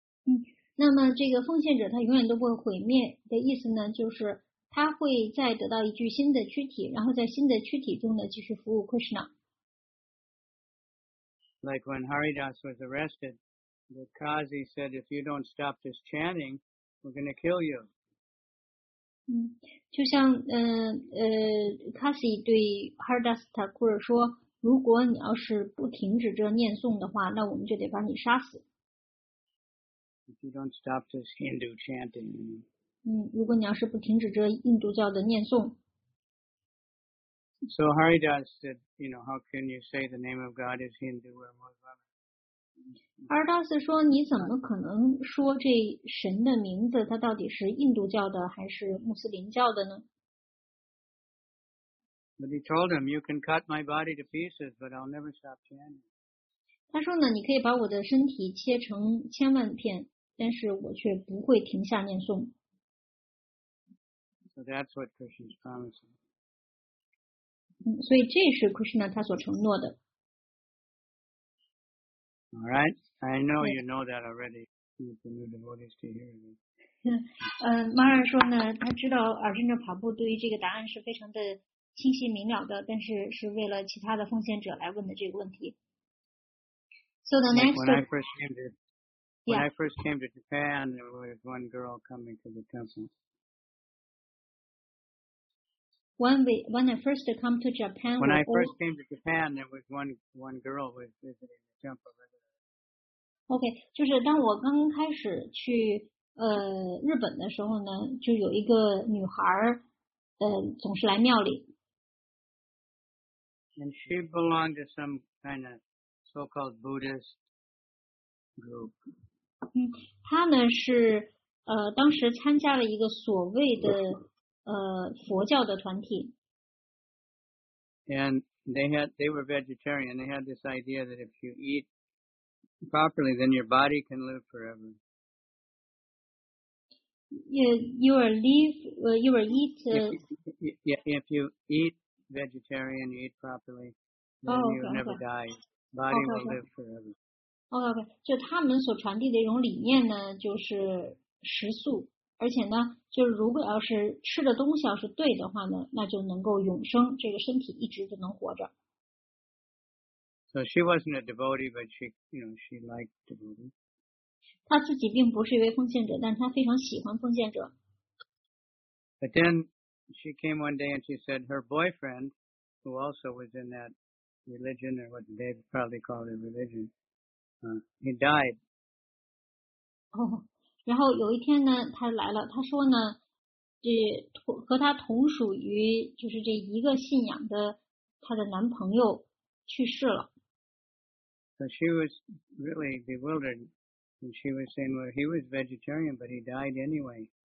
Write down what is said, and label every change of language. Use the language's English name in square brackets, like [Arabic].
[Chinese] 嗯，那么这个奉献者他永远都不会毁灭的意思呢，就是他会再得到一具新的躯体，然后在新的躯体中呢继续服务 Krishna。 [English] Like when Haridas was arrested, the Qazi said, if you don't stop this chanting, we're going to kill you. [Chinese] 就像Qazi 对 Haridas Thakur 说，如果你要是不停止这念诵的话，那我们就得把你杀死。 [English] If you don't stop this Hindu chanting. [Chinese] 如果你要是不停止这印度教的念诵。 [English] So Haridas said, you know, how can you say the name of God is Hindu or Muslim? [Chinese] Haridas 说你怎么可能说这神的名字它到底是印度教的还是穆斯林教的呢？ [English] But he told him, you can cut my body to pieces, but I'll never stop chanting. [Chinese] 他说呢，你可以把我的身体切成千万片，但是我却不会停下念诵。 [English] So that's what Krishna's promising. [Chinese] 所以这是 Krishna 他所承诺的。 [English] All right, I know you know that already. The new devotees to hear it. [Chinese] Maharaj 说呢，他知道阿尔扎帕布对于这个答案是非常的清晰明了的，但是是为了其他的奉献者来问的这个问题。 [English] So the next. When I first came to Japan, there was one girl coming to the temple. When I first came to Japan, there was one girl was visiting the temple. [Chinese] Okay, 就是当我刚开始去日本的时候呢，就有一个女孩总是来庙里。 [English] And she belonged to some kind of so-called Buddhist group. [Chinese] 她呢是当时参加了一个所谓的。佛教的团体。 [English] And they were vegetarian. They had this idea that if you eat properly, then your body can live forever. If you eat vegetarian, you eat properly, then you never die. Body will live forever. [Chinese] Okay. 就他们所传递的一种理念呢，就是食素，而且呢，就是如果要是吃的东西要是对的话呢，那就能够永生，这个身体一直就能活着。 [English] So she wasn't a devotee, but she, you know, she liked devotee. [Chinese] 她自己并不是一位奉献者，但她非常喜欢奉献者。 [English] But then she came one day and she said her boyfriend, who also was in that religion or what they probably called a religion, he died. Oh. [Chinese] 然后有一天呢，他来了，他说呢，这和他同属于就是这一个信仰的他的男朋友去世了。 [English] So she was really bewildered, and she was saying, "Well, he was vegetarian, but he died anyway."